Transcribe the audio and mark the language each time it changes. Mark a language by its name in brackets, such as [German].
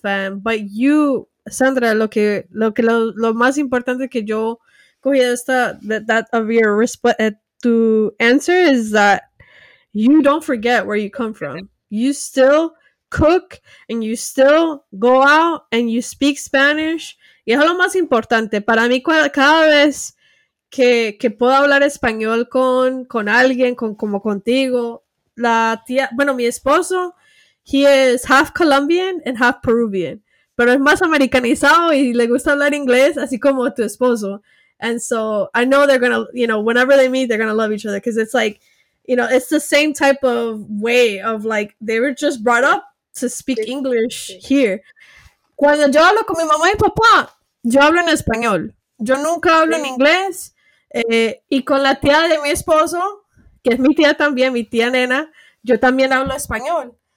[English] But you, Sandra, [Spanish] lo más importante que yo cogí [English] that of your response to answer is that you don't forget where you come from. You still cook and you still go out and you speak Spanish. [Spanish] Y es lo más importante para mí cada vez que puedo hablar español con alguien, como contigo. La tía, bueno, mi esposo, [English] he is half Colombian and half Peruvian, [Spanish] pero es más americanizado y le gusta hablar inglés, así como tu esposo. [English] And so I know they're gonna, you know, whenever they meet, they're gonna love each other, because it's like, you know, it's the same type of way of like, they were just brought up to speak English here. [Spanish] Cuando yo hablo con mi mamá y papá, yo hablo en español. Yo nunca hablo en inglés. Y con la tía de mi esposo, que es mi tía también, mi tía nena, yo también hablo español.